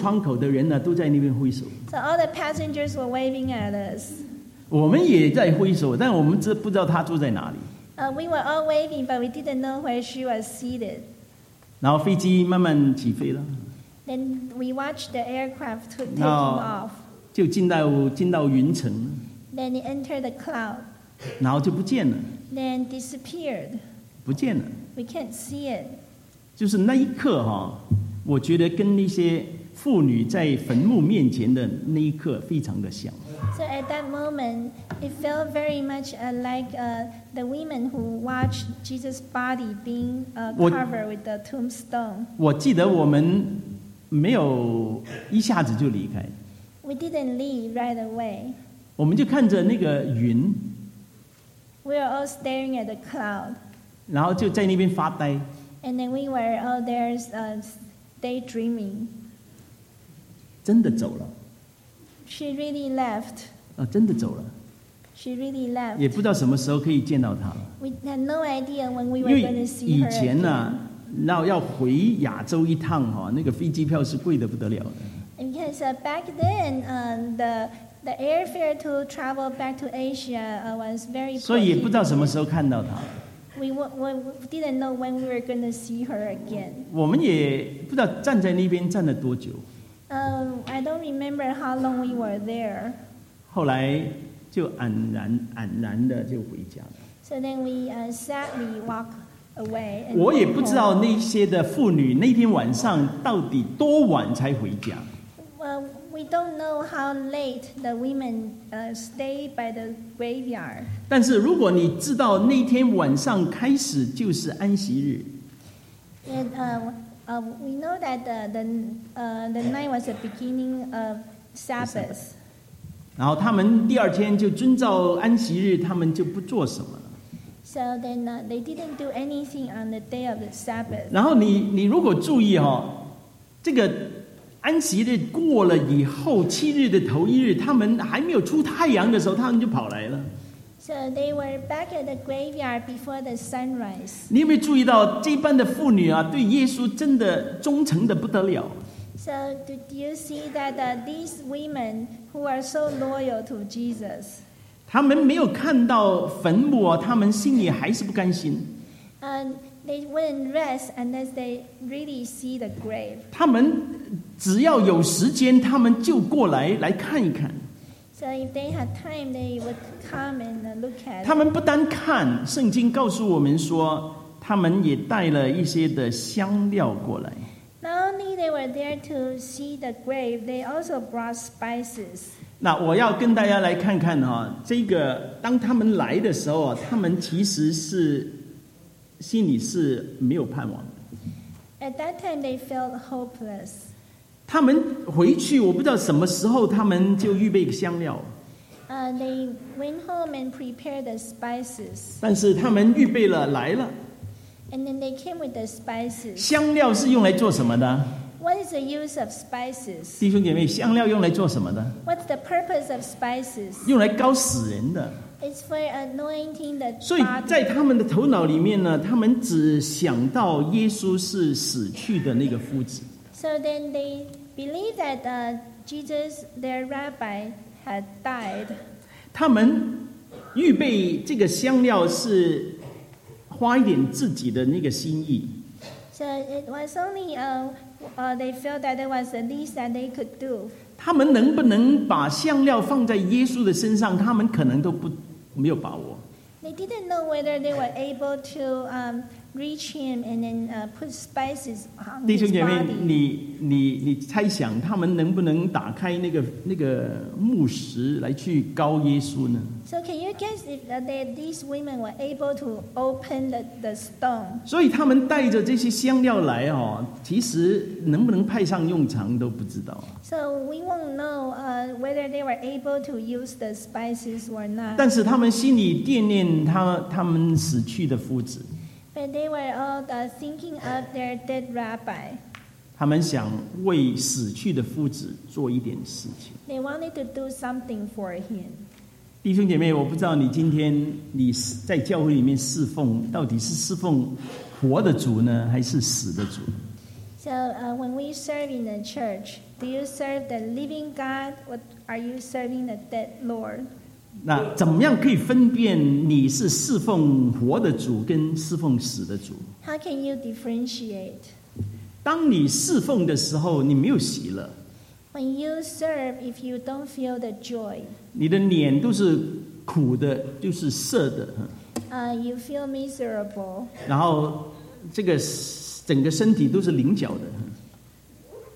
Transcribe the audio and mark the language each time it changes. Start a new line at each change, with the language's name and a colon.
Chinese: 那飞机每一个向我们的那个窗口的人都在那边挥手。
English: So all the passengers were waving at us.
Chinese: 我们也在挥手，但我们不知道她坐在哪里。
English: We were all waving, but we didn't know where she was seated.
Chinese: 然后飞机慢慢起飞了。
English: Then we watched the aircraft taking off.
Chinese: 就进到云层。
English: Then it entered the cloud.
Chinese: 然后就不见了。
English: Then disappeared.
Chinese: 不见了。
English: We can't see it.
Chinese: 就是那一刻，我觉得跟那些妇女在坟墓面前的那一刻非常的像。
English: So at that moment, it felt very much like the women who watched Jesus' body being covered with the tombstone.
Chinese: 我记得我们没有一下子就离开。
English: We didn't leave right away.
Chinese: 我们就看着那个云。
English: We were all staring at the cloud.
Chinese: 然后就在那边发呆。
English: And then we were all there daydreaming.
Chinese: 真的走了。
English: She really left.
Chinese: 哦，真的走了。
English: She really left.
Chinese: 也不知道什么时候可以见到她了。
English: We had no idea when we were going to see her.
Chinese: 以前呢，要回亚洲一趟哈，那个飞机票是贵得不得了的。
English: Because back then, the airfare to travel back to Asia was very.
Chinese: 所以也不知道什么时候看到她。
English: We didn't know when we were going to see her again.
Chinese: 我们也不知道站在那边站了多久。
English: I don't remember how long we were there.
Chinese: 后来就黯然的就回家了。
English: So then we sadly walk away.
Chinese: 我也不知道那些的妇女那天晚上到底多晚才回家。
English: Well, we don't know how late the women stay by the graveyard.
Chinese: 但是如果你知道那天晚上开始就是安息日。
English: We know that the night was the beginning of Sabbath.
Chinese: 然后他们第二天就遵照安息日，他们就不做什么了。
English: So then they didn't do anything on the day of the Sabbath.
Chinese: 然后你如果注意哈，这个安息日过了以后，七日的头一日，他们还没有出太阳的时候，他们就跑来了。
English: So they were back at the graveyard before the sunrise.
Chinese: 你有没有注意到这班的妇女啊，对耶稣真的忠诚的不得了。
English: So did you see that these women who are so loyal to Jesus?
Chinese: 他们没有看到坟墓，他们心里还是不甘心。
English: They wouldn't rest unless they really see the grave.
Chinese: 他们只要有时间，他们就过来看一看。
English: So if they had time, they would come and look at.
Chinese: 他们不单看，圣经告诉我们说，他们也带了一些的香料过来。
English: Not only they were there to see the grave, they also brought spices.
Chinese: 那我要跟大家来看看哈，这个当他们来的时候，他们其实是心里是没有盼望的。
English: At that time, they felt hopeless.
Chinese: 他们回去，我不知道什么时候他们就预备香料。
English: They went home and prepared the spices.
Chinese: 但是他们预备了，来了。
English: And then they came with the spices.
Chinese: 香料是用来做什么的
English: ？What is the use of spices?
Chinese: 弟兄姐妹，香料用来做什么的
English: ？What's the purpose of spices?
Chinese: 用来膏死人的。
English: It's for anointing the body.
Chinese: 所以在他们的头脑里面呢，他们只想到耶稣是死去的那个夫子。
English: So then they believe that Jesus, their rabbi, had died.
Chinese: 他们预备这个香料是花一点自己的那个心意。
English: So it was only they felt that it was the least that they could do.
Chinese: 他们能不能把香料放在耶稣的身上，他们可能都没有把握。
English: They didn't know whether they were able to reach him and then put spices on his body.
Chinese: 弟兄姐妹，你猜想他们能不能打开那个木石来去膏耶稣呢
English: ？So can you guess if that these women were able to open the stone?
Chinese: 所以他们带着这些香料来哦，其实能不能派上用场都不知道。
English: So we won't know whether they were able to use the spices or not.
Chinese: 但是他们心里惦念他们死去的夫子。
English: But they were all thinking of their dead rabbi.
Chinese: 他们想为死去的夫子做一点事情。
English: They wanted to do something for him.
Chinese: 弟兄姐妹，我不知道你今天你在教会里面侍奉，到底是侍奉活的主呢，还是死的主
English: ？So when we serve in the church, do you serve the living God, or are you serving the dead Lord?
Chinese: 那怎么样可以分辨你是侍奉活的主跟侍奉死的主
English: ？How can you differentiate？
Chinese: 当你侍奉的时候，你没有喜乐。
English: When you serve, if you don't feel the joy，
Chinese: 你的脸都是苦的，就是涩的。
English: You feel miserable。
Chinese: 然后这个整个身体都是棱角的。